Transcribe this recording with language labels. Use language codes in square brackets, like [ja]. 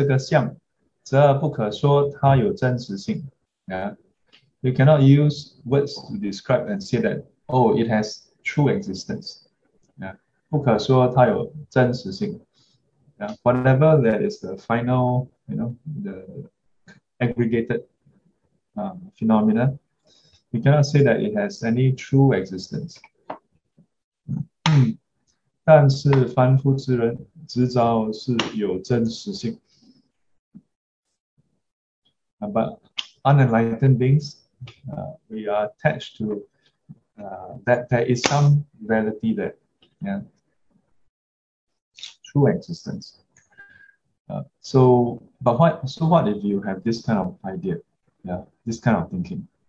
[zh] 世界总和的这个相，则不可说它有真实性. Yeah. [en] You cannot use words to describe and say that, oh, it has true existence. [zh] Yeah. 不可说它有真实性.Yeah. [en] Whatever that is the final, the aggregated phenomena, you cannot say that it has any true existence. [zh] 但是凡夫之人执着是有真实性。 [en] But unenlightened beings, we are attached to that there is some reality there, yeah, true existence. So what if you have this kind of idea, yeah, this kind of thinking?